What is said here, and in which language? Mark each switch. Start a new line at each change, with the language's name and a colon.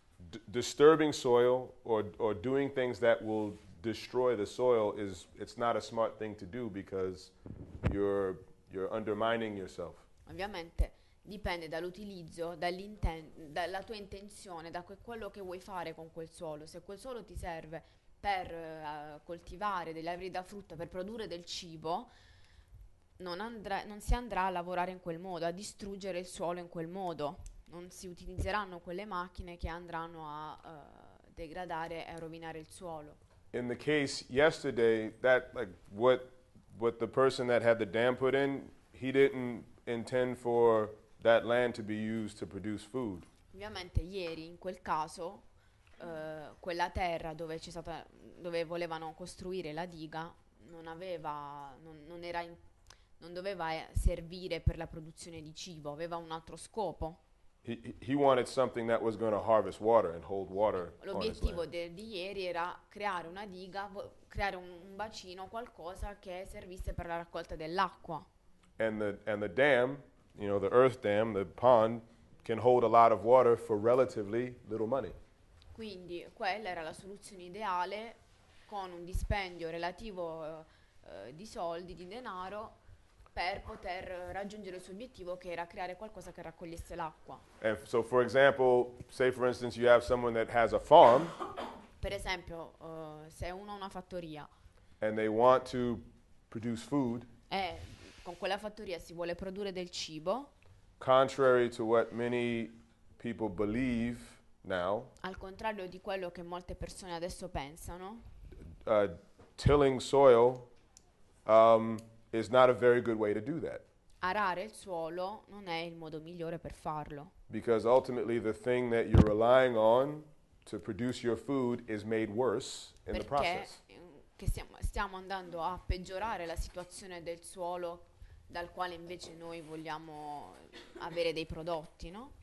English: Then disturbing soil or doing things that will destroy the soil it's not a smart thing to do because you're undermining yourself.
Italian: Ovviamente dipende dall'utilizzo, dalla tua intenzione, da quello che vuoi fare con quel suolo. Se quel suolo ti serve per coltivare degli alberi da frutta, per produrre del cibo, non si andrà a lavorare in quel modo, a distruggere il suolo in quel modo. Non si utilizzeranno quelle macchine che andranno a degradare e a rovinare il suolo.
English: In the case yesterday, that like what the person that had the dam put in, he didn't intend for that land to be used to produce food.
Italian: Ovviamente ieri in quel caso quella terra dove volevano costruire la diga non doveva servire per la produzione di cibo, aveva un altro scopo.
English: He wanted something that was going to harvest water and hold water.
Italian: L'obiettivo di ieri era creare una diga, creare un bacino, qualcosa che servisse per la raccolta dell'acqua.
English: And the dam, you know, the earth dam, the pond, can hold a lot of water for relatively little money.
Italian: Quindi quella era la soluzione ideale con un dispendio relativo di soldi, di denaro, per poter raggiungere il suo obiettivo, che era creare qualcosa che raccogliesse l'acqua.
English: And so for example, say for instance you have someone that has a farm.
Italian: Per esempio, se uno ha una fattoria.
English: And they want to produce food.
Italian: E con quella fattoria si vuole produrre del cibo.
English: Contrary to what many people believe now.
Italian: Al contrario di quello che molte persone adesso pensano.
English: Tilling soil is not a very good way to do that.
Italian: Arare il suolo non è il modo migliore per farlo.
English: Because ultimately the thing that you're relying on to produce your food is made worse in the process.
Italian: Perché che stiamo andando a peggiorare la situazione del suolo dal quale invece noi vogliamo avere dei prodotti, no?